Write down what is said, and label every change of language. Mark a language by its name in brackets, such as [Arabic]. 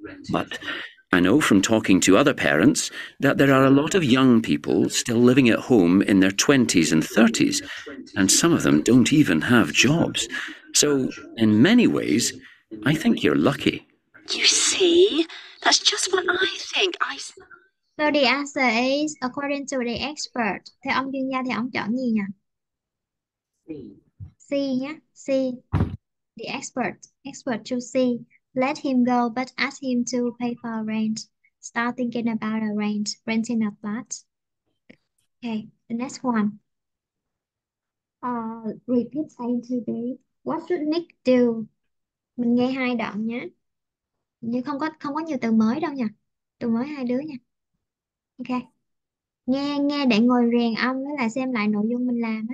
[English] But I know from talking to other parents that there are a lot of young people still living at home in their 20s and 30s, and some of them don't even have jobs. So, in many ways, I think you're lucky. You see? That's just what I think. So the answer is, according to the expert, [Vietnamese] thì ông chuyên gia thì ông chọn gì nhỉ? [English] C. C. The expert. Expert to C. Let him go, but ask him to pay for rent. Start thinking about a rent, renting a flat. Okay, the next one. Repeat saying to me, what should Nick do? [Vietnamese] Mình nghe hai đoạn nhé. Nhưng không có nhiều từ mới đâu nha. Từ mới hai đứa nha. Okay. Nghe để ngồi rèn âm với lại xem lại nội dung mình làm.